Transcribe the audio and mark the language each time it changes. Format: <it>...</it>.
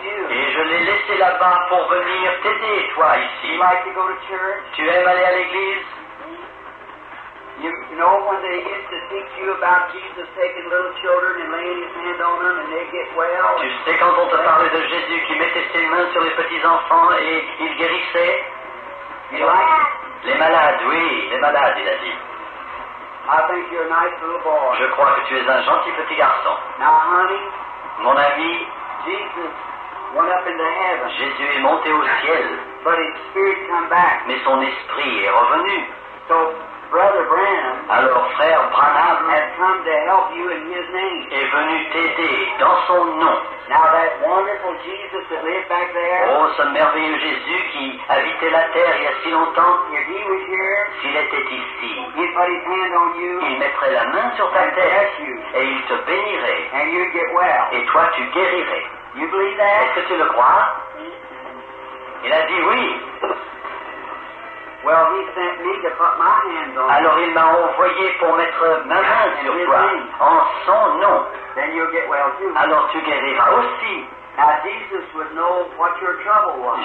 <fr>Et je l'ai laissé là-bas pour venir t'aider, toi, ici.</fr> <en>You like to go to church?</en> <fr>Tu aimes aller à l'église?</fr> <en>You know when they used to teach you about Jesus taking little children and laying his hand on them and they get well?</en> <fr>Tu sais quand on te parlait de Jésus qui mettait ses mains sur les petits enfants et il guérissait? Les malades, oui, les malades, il a dit.</fr> <en>I think you're a nice little boy.</en> <fr>Je crois que tu es un gentil petit garçon.</fr> <en>Now, honey,</en> <fr>mon ami,</fr> <en>Jesus went up into heaven.</en> <fr>Jésus est monté au ciel.</fr> <en>But his spirit came back.</en> <fr>Mais son esprit est revenu.</fr> <en>So, Brother Branham,</en> <fr>alors, frère Branham</fr> <en>has come to help you in his name.</en> <fr>Est venu t'aider dans son nom.</fr> <en>Now that wonderful Jesus that lived back there,</en> <fr>oh, ce merveilleux Jésus qui habitait la terre il y a si longtemps,</fr> <en>if he was here,</en> <fr>s'il était ici,</fr> <en>he'd put his hand on you,</en> <fr>il mettrait la main sur ta tête</fr> <en>you,</en> <fr>et il te bénirait.</fr> <en>And you'd get well.</en> <fr>Et toi, tu guérirais.</fr> <en>You believe that?</en> <fr>Est-ce que tu le crois? Il a dit oui.</fr> <en>Well, he sent me to put my hands on.</en> <fr>Alors il m'a envoyé pour mettre ma main sur toi, en son nom.</fr> <en>Then you'll get well too.</en> <fr>Alors tu guériras aussi.</fr> <en>Now, Jesus would know what your trouble was.</en>